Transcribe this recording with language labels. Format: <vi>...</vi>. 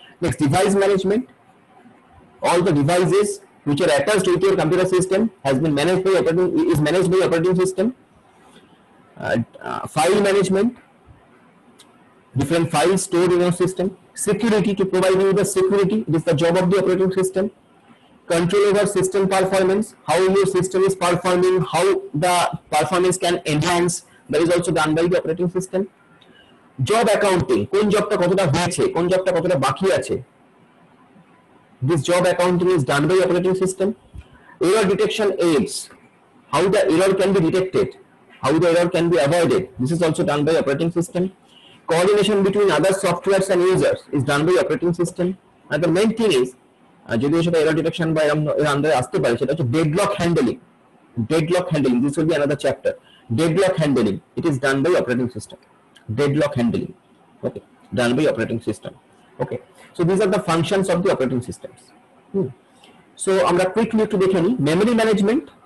<en>Next device management, all the devices which are attached with your computer system has been managed by operating, is managed by operating system. File management, different file store in your system. Security, to provide you the security, it is the job of the operating system. Control over system performance, how your system is performing, how the performance can enhance, that is also done by the operating system. Job accounting,</en> <bn>kon job ta koto ta hoyeche, kon job ta koto ta baki ache,</bn> <en>this job accounting is done by the operating system. Error detection aids, how the error can be detected, how the error can be avoided, this is also done by the operating system. Coordination between other softwares and users is done by the operating system. And the main thing is,</en> <bn>যদি সেটা error detection বা এরকম এর আন্ডারে আসতে পারে সেটা হচ্ছে deadlock handling.</bn> <en>Deadlock handling this will be another chapter. Deadlock handling it is done by operating system. Deadlock handling okay done by operating system okay. So this are the functions of the operating systems.</en> <bn>So আমরা quickly একটু দেখে নিই</bn> <en>Memory management.</en>